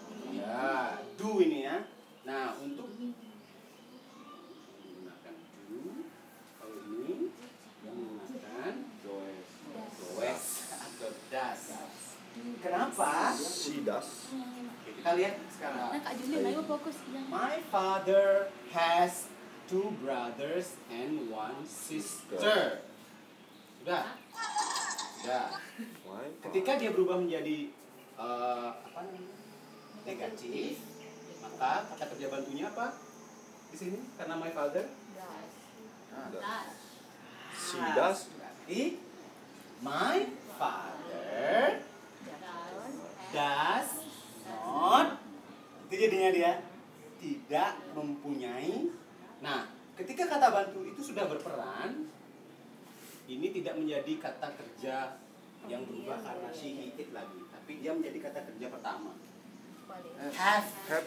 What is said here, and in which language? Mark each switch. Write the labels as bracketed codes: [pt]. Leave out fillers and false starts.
[id] Ya, do ini ya. Nah, untuk menggunakan do, kalau ini menggunakan [en] does [id] atau does. Kenapa? [en] She does. [id] Oke, kita lihat sekarang. Nah, Kak Julia, ayo fokus. [en] My father has two brothers and one sister. [id] Sudah? Sudah. Ketika dia berubah menjadi apa namanya? Negatif, maka kata kerja bantunya apa? Di sini karena [en] my father does. She does. [id] Berarti [en] my father does not. [id] Itu jadinya dia tidak mempunyai. Nah, ketika kata bantu itu sudah berperan, ini tidak menjadi kata kerja yang berubah karena si it lagi, tapi dia menjadi kata kerja pertama. [en] Have